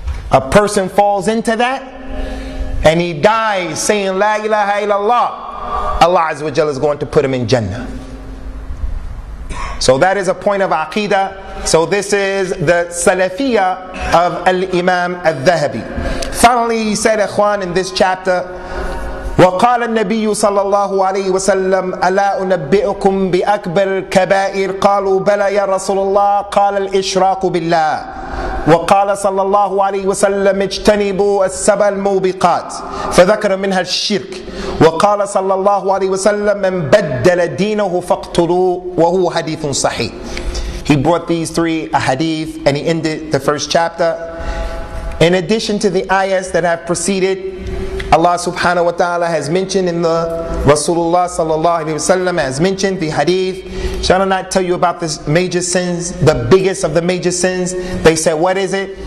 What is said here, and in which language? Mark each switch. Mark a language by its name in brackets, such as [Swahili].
[English] A person falls into that and he dies saying, La ilaha illallah. Allah Azza wa Jalla is going to put him in Jannah. So that is a point of aqidah. So this is the salafiyya of al-Imam al-Dhahabi. Finally, he said, ikhwan, in this chapter, [Arabic] وَقَالَ النَّبِيُّ صَلَّى اللَّهُ عَلَيْهِ وَسَلَّمُ أَلَا أُنَبِّئُكُمْ بِأَكْبَرِ الْكَبَائِرِ قَالُوا بَلَا يَا رَسُولُ اللَّهِ قَالَ الْإِشْرَاقُ بِاللَّهِ وَقَالَ صَلَّى اللَّهُ عَلَيْهِ وَسَلَّمُ اجْتَنِبُوا السَّبَى الْمُوبِقَاتِ فَذَكَرَ مِنْهَا الشِّرْكِ وَقَالَ صَلَّى اللَّهُ عَلَيْهِ وَسَلَّمُ مَنْ بَدَّلَ دِينَهُ فَاقْتُلُوهُ وَهُوَ حَدِيثٌ صَحِيحٌ. [English] He brought these three ahadith and he ended the first chapter. In addition to the ayahs that have preceded, Allah subhanahu wa ta'ala has mentioned in the Rasulullah sallallahu alayhi wa sallam has mentioned the hadith. Shall I not tell you about this major sins, the biggest of the major sins? They said, what is it?